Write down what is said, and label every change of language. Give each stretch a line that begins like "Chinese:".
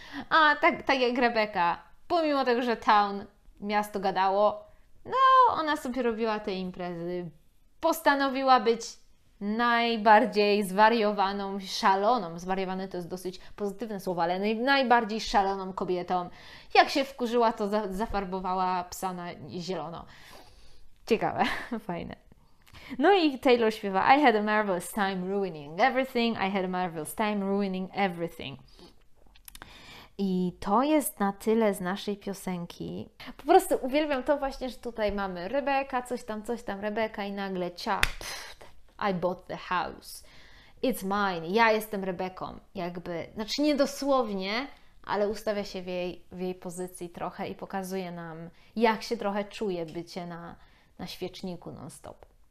Polish: A tak jak Rebeka. Pomimo tego, że town, miasto gadało, no ona sobie robiła te imprezy. Postanowiła być najbardziej zwariowaną, szaloną. Zwariowane to jest dosyć pozytywne słowo, ale najbardziej szaloną kobietą. Jak się wkurzyła, to zafarbowała psa na zielono. Ciekawe, fajne. No i Taylor śpiewa
English: I had a marvelous time ruining everything, I had a marvelous time ruining everything.
Polish: I to jest na tyle z naszej piosenki. Po prostu uwielbiam to właśnie, że tutaj mamy Rebeka, coś tam Rebeka i nagle ciap.
English: I bought the house. It's mine.
Polish: Ja jestem Rebeką. Jakby, znaczy nie dosłownie, ale ustawia się w jej pozycji trochę i pokazuje nam, jak się trochę czuje bycie na świeczniku non-stop.